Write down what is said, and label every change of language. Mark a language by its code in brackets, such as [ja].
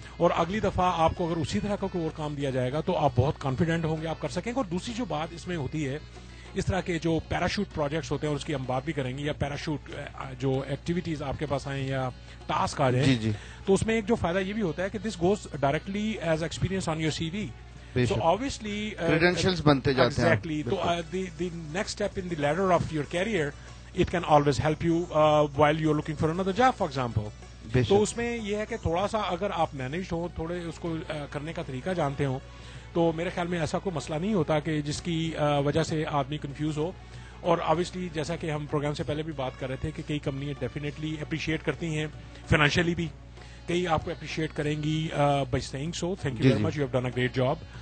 [ur] اور اگلی دفعہ آپ کو اگر اسی طرح کا کوئی اور کام دیا جائے گا تو آپ بہت کانفیڈنٹ ہوں گے, آپ کر سکیں گے. اور دوسری جو بات اس میں ہوتی ہے, اس طرح کے جو پیراشوٹ پروجیکٹس ہوتے ہیں اور اس کی ہم بات بھی کریں گے, یا پیراشوٹ جو ایکٹیویٹیز آپ کے پاس آئیں یا ٹاسک آ جائیں, تو اس میں ایک جو فائدہ یہ بھی ہوتا ہے کہ [en] This goes directly as experience on your C V. So obviously [ur] credentials بنتے جاتے ہیں. [en] Exactly. So the next step in the ladder of your career, it can always help you while you're looking for another job, for example. [ur] تو اس میں یہ ہے کہ تھوڑا سا اگر آپ مینیج ہو, تھوڑے اس کو کرنے کا طریقہ جانتے ہوں, تو میرے خیال میں ایسا کوئی مسئلہ نہیں ہوتا کہ جس کی وجہ سے آدمی کنفیوز ہو. اور obviously جیسا کہ ہم پروگرام سے پہلے بھی بات کر رہے تھے کہ کئی کمپنیاں ڈیفینیٹلی اپریشیٹ کرتی ہیں فائنینشلی بھی, کئی آپ کو اپریشیٹ کریں گی [en] By saying so thank you very much you have done a great job.